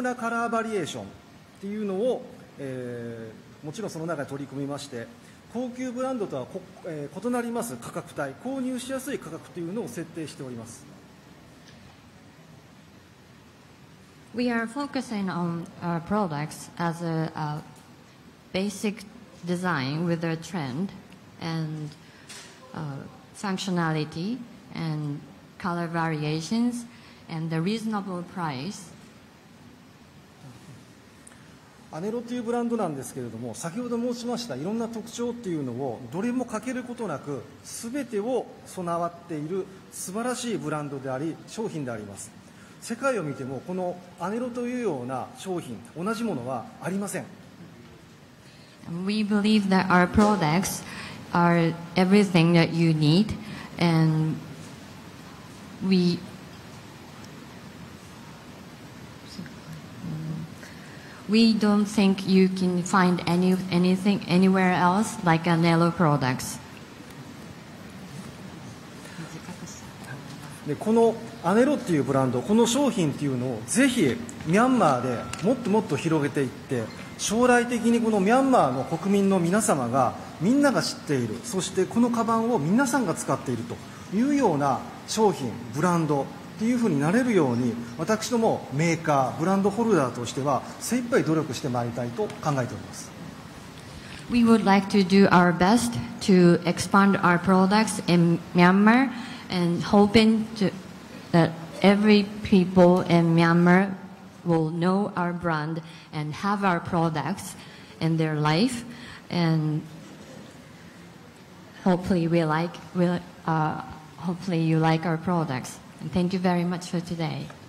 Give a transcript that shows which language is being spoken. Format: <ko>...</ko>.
<ja>まず商品の特徴としまして、なんですが、商品の中に程よいトレンド、それにベーシックなデザインというのを取り込みまして、あったら嬉しいという機能性を取り入れます。そして豊富なカラーバリエーションっていうのを もちろんその中に取り組みまして、高級ブランドとは異なります価格帯、購入しやすい価格というのを設定しております。</ja> <en>We are focusing on our products as a basic design with a trend and functionality and color variations and the reasonable price.</en> <ja>Anello というブランドなんですけれども、先ほど申しましたいろんな特徴っていうのをどれも欠けることなく全てを備わっている素晴らしいブランドであり商品であります。世界を見てもこのアネロというような商品同じものはありません。</ja> <en>We believe that our products are everything that you need and we don't think you can find anything anywhere else like Anello products.</en> <ja>でこの Anello っていうブランド、この商品っていうのをぜひミャンマーでもっともっと広げていって、将来的にこのミャンマーの国民の皆様がみんなが知っている、そしてこのカバンを皆さんが使っているというような商品、ブランド。というふうになれるように私どもメーカーブランドホルダーとしては精一杯努力してまいりたいと考えております。</ja> <en>We would like to do our best to expand our products in Myanmar and hoping to, that every people in Myanmar will know our brand and have our products in their life and hopefully we like we'll, hopefully you like our productsAnd thank you very much for today.</en>